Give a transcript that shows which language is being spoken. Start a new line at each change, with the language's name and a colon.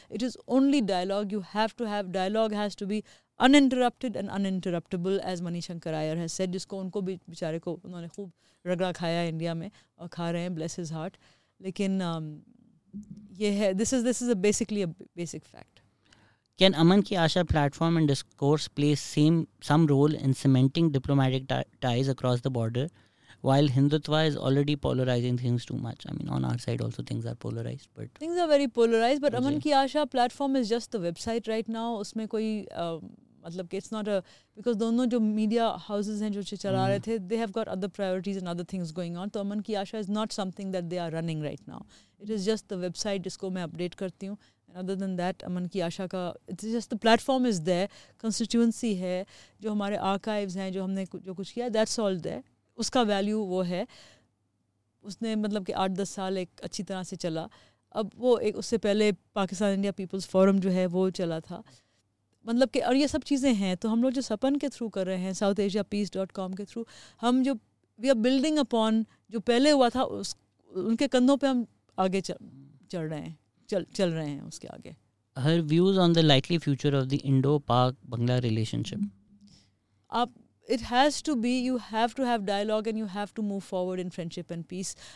English: it is only dialogue, you have to have dialogue, has to be uninterrupted and uninterruptable, as Manish Shankar Aiyar has said,
Hindi: जिसको उनको भी बेचारे को उन्होंने खूब रगड़ा खाया इंडिया में और खा रहे हैं,
English: Bless his heart.
Hindi: लेकिन ये है,
English: This is basically a basic fact. Can Aman ki Asha platform and discourse play same some role in cementing diplomatic ties across the border while hindutva is already polarizing things too much? I mean on our side also things are polarized, but things are very polarized, but aman ki asha platform is just the website right now.
Hindi: Usme koi matlab ki
English: it's not a, because
Hindi: dono jo media houses hain jo chala rahe the,
English: they have got other priorities and other things going on. To aman ki asha is not something that they are running right now, it is just the website
Hindi: jisko main update karti hu.
English: Other than that, aman ki asha ka, it's just the platform is there, constituency
Hindi: hai, jo hamare archives hain, jo humne jo kuch kiya,
English: that's all there.
Hindi: उसका value वो है, उसने मतलब कि 8-10 साल एक अच्छी तरह से चला. अब वो एक उससे पहले पाकिस्तान इंडिया पीपल्स फोरम जो है वो चला था, मतलब कि, और ये सब चीज़ें हैं. तो हम लोग जो सपन के थ्रू कर रहे हैं, south Asia piece dot com के थ्रू, हम जो
English: we are building upon
Hindi: जो पहले हुआ था, उस उनके कंधों पर हम आगे चल रहे हैं उसके आगे.
English: Her views on the likely future of the Indo Pak Bangla relationship. आप It has to be, you have to have dialogue and you have to move forward in friendship and peace.